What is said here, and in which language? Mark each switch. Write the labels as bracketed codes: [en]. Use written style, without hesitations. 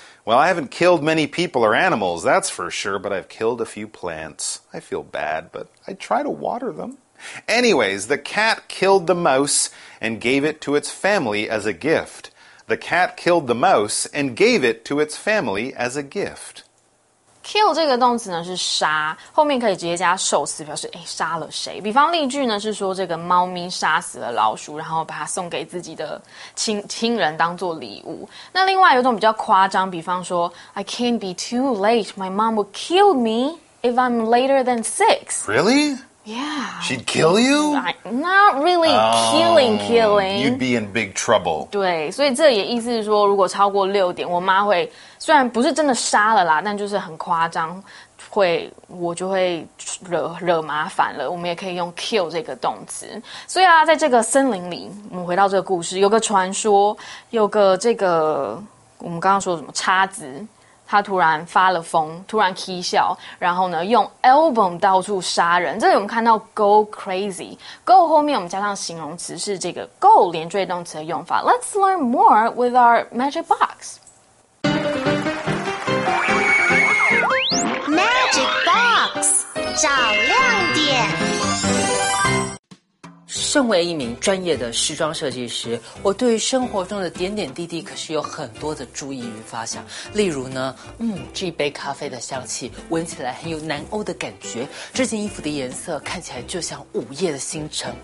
[en] Well, I haven't killed many people or animals, that's for sure, but I've killed a few plants. I feel bad, but I try to water them. Anyways, the cat killed the mouse and gave it to its family as a gift. The cat killed the mouse and gave it to its family as a gift. [zh] Kill 这个动词呢是杀，后面可以直接加受词表示杀了谁。比方例句呢是说这个猫咪杀死了老鼠，然后把它送给自己的亲人当做礼物。那另外有种比较夸张，比方说 [en] I can't be too late, my mom will kill me if I'm later than 6. Really? Yeah. She'd kill you? Not really killing. You'd be in big trouble. [zh] 对，所以这也意思是说，如果超过六点，我妈会，虽然不是真的杀了啦，但就是很夸张，会，我就会惹麻烦了。我们也可以用 kill 这个动词。所以啊，在这个森林里，我们回到这个故事，有个传说，有个这个，我们刚刚说什么，叉子。他突然发了疯，突然 起 笑，然后呢，用 album 到处杀人。这里我们看到 go crazy， go 后面我们加上形容词是这个 go 连缀动词的用法。 [en] Let's learn more with our magic box. [zh] Magic box， 找亮点。身为一名专业的时装设计师，我对于生活中的点点滴滴可是有很多的注意与发想。例如呢，这一杯咖啡的香气闻起来很有南欧的感觉，这件衣服的颜色看起来就像午夜的星辰。